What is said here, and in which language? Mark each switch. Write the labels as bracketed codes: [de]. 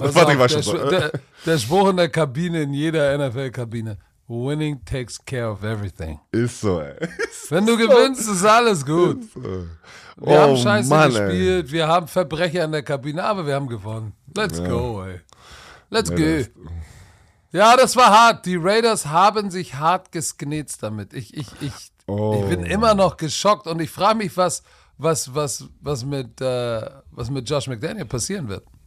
[de] Der Spruch in der Kabine, in jeder NFL-Kabine. [en] Winning takes care of everything. [de] Ist so, ey. Wenn du gewinnst, ist alles gut. Wir haben Scheiße gespielt, wir haben Verbrecher in der Kabine, aber wir haben gewonnen. [en] Let's go. [de] Ja, das war hart. Die Raiders haben sich hart gesknetzt damit. Ich bin immer noch geschockt und ich frage mich, was mit Josh McDaniel passieren wird.